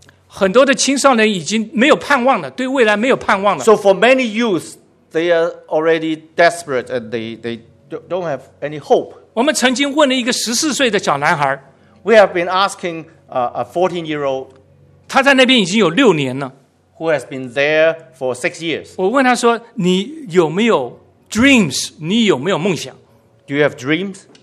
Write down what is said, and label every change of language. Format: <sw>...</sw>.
<zh>很多的青少年已经没有盼望了，对未来没有盼望了。</zh> <en>So for many youth, they are already desperate and they don't have any hope.</en> <zh>我们曾经问了一个十四岁的小男孩。</zh> <en>We have been asking a 14-year-old.</en> <zh>他在那边已经有六年了。</zh> <en>Who has been there for 6 years?</en> <zh>我问他说：“你有没有 dreams？ 你有没有梦想</zh> <en>？”Do you have dreams?</en>